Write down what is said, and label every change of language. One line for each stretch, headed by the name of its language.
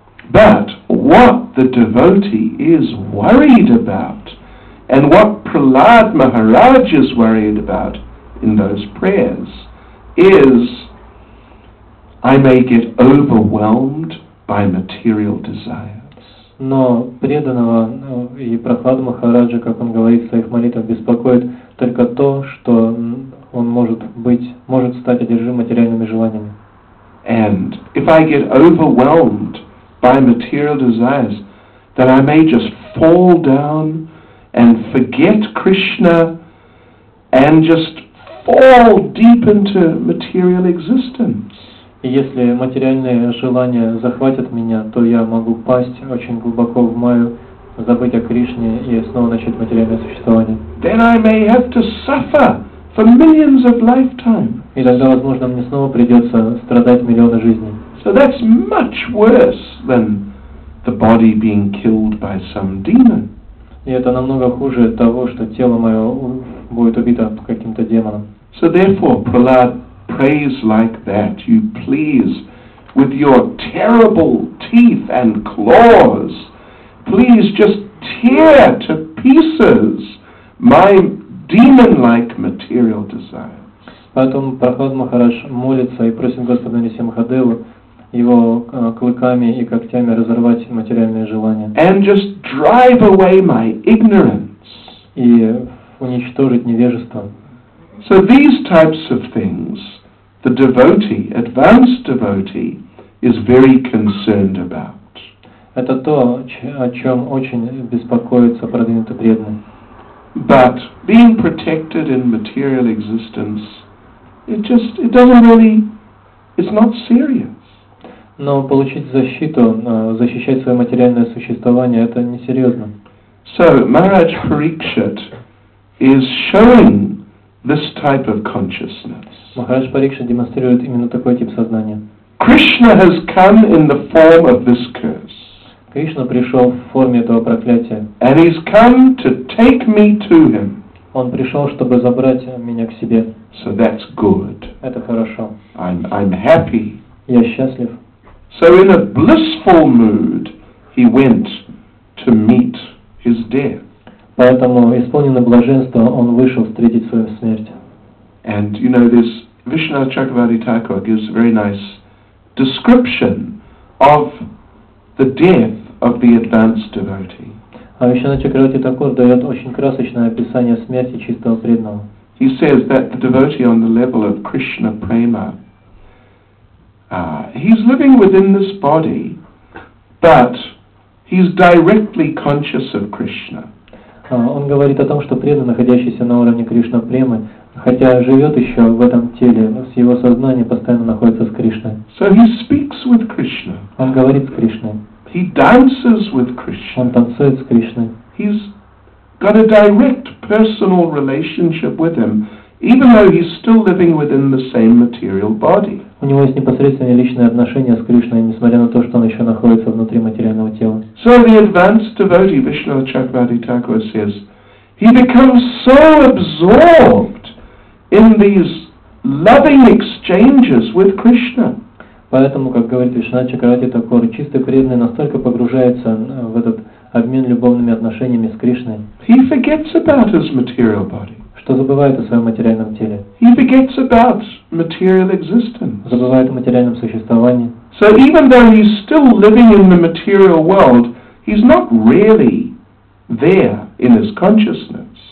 English: But what the devotee is worried about, and what Prahlad Maharaj is worried about in those prayers, is I may get overwhelmed by material desires.
Russian: Но преданного и Прахлада Махараджа, как он говорит в своих молитвах, беспокоит только то, что он может стать одержим материальными желаниями.
English: And if I get overwhelmed by material desires, that I may just fall down and forget Krishna and just fall deep into material existence.
Russian: И если материальные желания захватят меня, то я могу пасть очень глубоко в маю, забыть о Кришне и снова начать материальное существование.
English: Then I may have to suffer for millions of lifetimes.
Russian: И тогда, возможно, мне снова придется страдать миллионы жизней.
English: So that's much worse than the body being killed by some demon.
Russian: И это намного хуже того, что тело мое будет убито каким-то демоном.
English: So therefore, Prahlad prays like that. You please, with your terrible teeth and claws, please just tear to pieces my demon-like material desire.
Russian: Поэтому Прахлад Махарадж молится и просит Господа Нарисимхадеву его клыками и когтями разорвать материальные желания.
English: And just drive away my ignorance.
Russian: И уничтожить невежество.
English: So these types of things the devotee, advanced devotee, is very concerned about.
Russian: Это то, о чем очень беспокоится продвинутый преданный.
English: But being protected in material existence, it doesn't really, it's not serious.
Russian: Но получить защиту, защищать свое материальное существование, это не серьезно.
English: So Maharaj Parikshit is showing this type of consciousness.
Russian: Maharaj Parikshit демонстрирует именно такой тип сознания.
English: Krishna has come in the form of this curse.
Russian: Кришна пришел в форме этого проклятия.
English: And he's come to take me to him.
Russian: Он пришел, чтобы забрать меня к себе.
English: So that's good.
Russian: Это хорошо.
English: I'm happy.
Russian: Я счастлив.
English: So in a blissful mood, he went to meet his death.
Russian: Поэтому, исполненный блаженства, он вышел встретить свою смерть.
English: And you know this, Vishnu Chakravarti Thakur gives a very nice description of the death of the advanced devotee.
Russian: А Вишвана Чакравати Такур дает очень красочное описание смерти чистого преданного.
English: He says that the devotee on the level of Krishna Prema, he's living within this body, but he's directly conscious of Krishna.
Russian: Он говорит о том, что преданный, находящийся на уровне Кришна Премы, хотя живет еще в этом теле, но с его сознанием постоянно находится с Кришной.
English: So he speaks with Krishna.
Russian: Он говорит с Кришной.
English: He dances with Krishna.
Russian: Он танцует с Кришной.
English: He's got a direct personal relationship with him, even though he's still living within the same material body.
Russian: У него есть непосредственные личные отношения с Кришной, несмотря на то, что он еще находится внутри материального тела.
English: So the advanced devotee, Vishnu Chakravarti Thakur, says, he becomes so absorbed in these loving exchanges with Krishna.
Russian: Поэтому, как говорит Вишна Чакравати Такур, чистый преданный настолько погружается в этот обмен любовными отношениями с Кришной,
English: he forgets about his material body.
Russian: Что забывает о своем материальном теле.
English: He forgets about material existence.
Russian: Забывает о материальном существовании.
English: So even though he's still living in the material world, he's not really there in his consciousness.